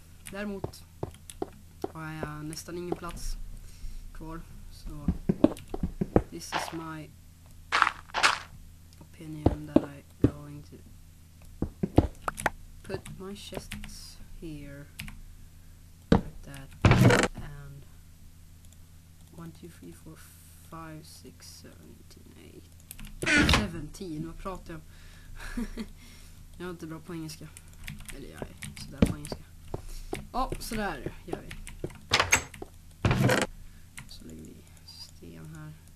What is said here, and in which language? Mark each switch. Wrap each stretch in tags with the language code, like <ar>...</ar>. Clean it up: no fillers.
<sv>Däremot har jag nästan ingen plats kvar.</sv> <en>Så this is my opinion that I going to put my chests here like that and 1, 2, 3, 4, 5, 6, 7, 8, 17,</en> <sv>vad pratar jag om? Jag är inte bra på engelska. Eller jag är sådär på engelska. Ja, oh, sådär gör vi. Så lägger vi sten här.</sv>